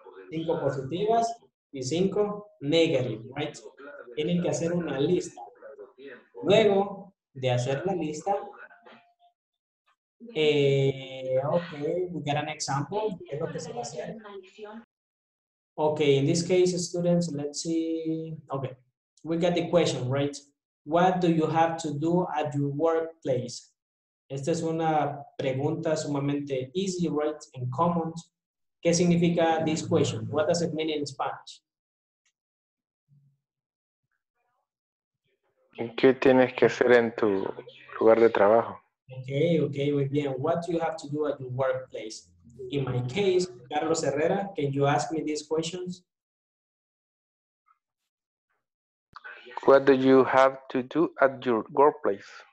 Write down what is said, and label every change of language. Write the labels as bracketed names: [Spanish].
[Spanish] 5 positivas y 5 negative, right? Tienen que hacer una lista. Luego de hacer la lista, [English] okay, we got an example. [Spanish] ¿Qué es lo que se va a hacer? [English] Okay, in this case, students, let's see. Okay, we got the question, right? What do you have to do at your workplace? [Spanish] Esta es una pregunta sumamente [English] easy, right, and common. [Spanish] ¿Qué significa [English] this question? What does it mean in Spanish? [Spanish] ¿Qué tienes que hacer en tu lugar de trabajo? Okay, muy bien. [English] What do you have to do at your workplace? In my case, Carlos Herrera, can you ask me these questions? What do you have to do at your workplace?